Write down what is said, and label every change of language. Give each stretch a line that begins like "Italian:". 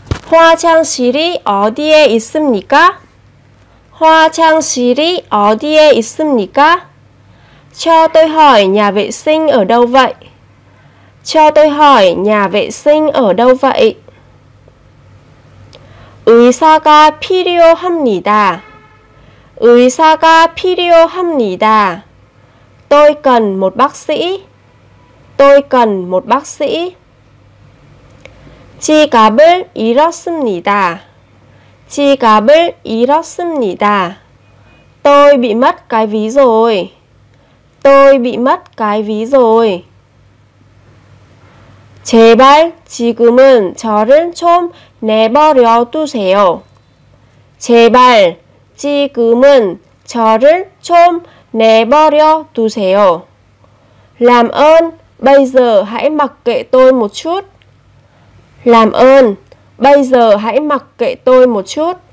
Korean: 화장실이 어디에 있습니까? 화장실이 어디에 있습니까?
Vietnamese: Cho tôi hỏi nhà vệ sinh ở đâu vậy? Cho tôi hỏi nhà vệ sinh ở đâu vậy?
Korean: 의사가 필요합니다. 의사가 필요합니다.
Vietnamese: Tôi cần một bác sĩ. Tôi cần một bác sĩ.
Korean: 지갑을 잃었습니다. 지갑을 잃었습니다.
Vietnamese: Tôi bị mất cái ví rồi. Tôi bị mất cái ví rồi.
Korean: 제발 지금은 저를 좀 내버려 두세요. 제발 지금은 저를 좀 내버려 두세요.
Vietnamese: Làm ơn, bây giờ hãy mặc kệ tôi một chút. Làm ơn, bây giờ hãy mặc kệ tôi một chút.